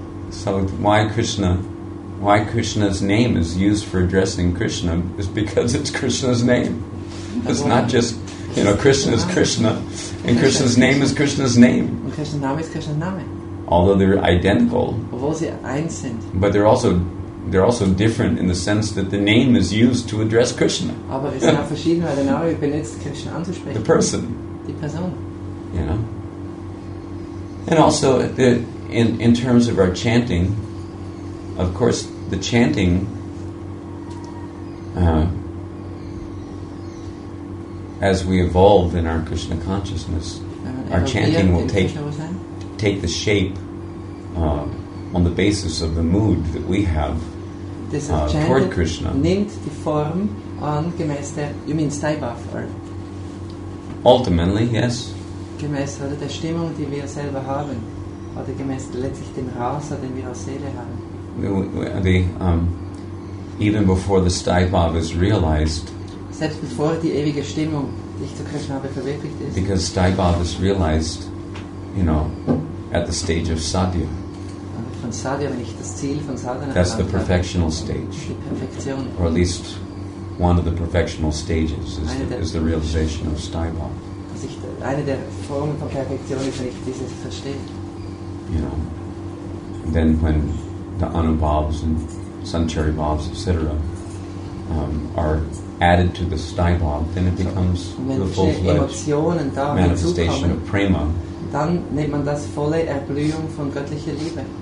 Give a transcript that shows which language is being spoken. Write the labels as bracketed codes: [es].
[en] So why Krishna's name is used for addressing Krishna is because it's Krishna's name. It's not just, you know, Krishna is Krishna, and Krishna's name is Krishna's name. [de] Und Krishna's name ist Krishna's name. [en] Although they're identical, [de] obwohl sie eins sind. [en] But they're also different in the sense that the name is used to address Krishna. [de] Aber es sind auch verschieden, weil der Name benutzt Krishna anzusprechen. [en] The person. [de] Die Person. [en] You know. And also, in terms of our chanting, of course, the chanting. As we evolve in our Krishna consciousness, our chanting will take the shape on the basis of the mood that we have toward Krishna. [de] Nimmt die Form angemäß der, you mean Staibhav, or? [en] Ultimately, yes. [de] Gemäß oder der Stimmung, die wir selber haben, oder gemäß letztlich den Rasa, den wir als Seele haben. [en] Even before the Staibhav is realized. [de] Selbst bevor die ewige Stimmung, die ich zu Krishna habe, verwirklicht ist. [en] Because Staibhav is realized, you know, at the stage of Sadhya. [de] Von Sadhya, wenn ich das Ziel von Sadhana. [en] That's the perfectional stage. [de] Die Perfektion. [en] Or at least one of the perfectional stages is the realization of Staibhav. [de] Eine der Formen von Perfektion ist, wenn ich dieses verstehe. [en] You know, then when the Anubhavs and Sancharibhavs, etc. Are added to the Staibhav, then it becomes the full-fledged manifestation of prema. [de] Dann nennt man das volle Erblühung von göttlicher Liebe.